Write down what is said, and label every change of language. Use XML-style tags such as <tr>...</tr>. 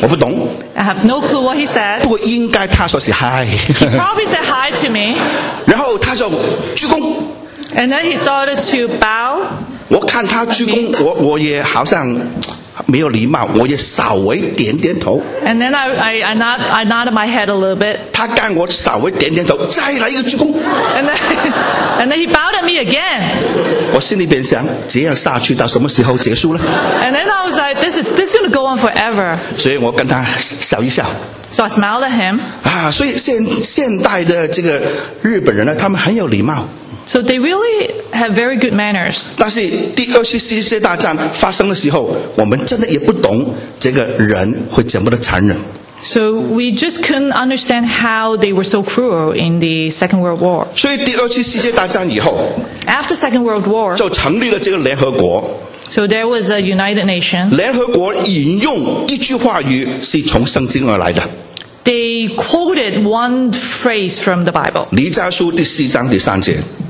<zh>我不懂。</zh> <en>I have no clue what he said.</en> <zh>不过应该他说是 hi.</zh> <en>He probably said hi to me.</en> <zh>然后他就鞠躬。</zh> <en>And then he started to bow.</en> <zh>我看他鞠躬，我也好像没有礼貌，我也稍微点点头。</zh> <en>And then I nodded my head a little bit.</en> <zh>他跟我稍微点点头，再来一个鞠躬。</zh> <en>And then he bowed at me again.</en> <zh>我心里边想，这样下去到什么时候结束了</zh> <en>？And then I was like, this is going to go on forever.</en> <zh>所以我跟他笑一笑。</zh> <en>So I smiled at him.</en> <zh>所以现代的这个日本人呢，他们很有礼貌。</zh> <en>So they really have very good manners.</en> <zh>但是第二次世界大战发生的时候，我们真的也不懂这个人会怎么的残忍。</zh> <en>So we just couldn't understand how they were so cruel in the Second World War.</en> <zh>所以第二次世界大战以后</zh> <en>，After Second World War，</en> <zh>就成立了这个联合国。</zh> <en>So there was a United Nations.</en> <zh>联合国引用一句话语是从圣经而来的。</zh> <en>They quoted one phrase from the Bible.</en> <zh>弥迦书第四章第三节。</zh>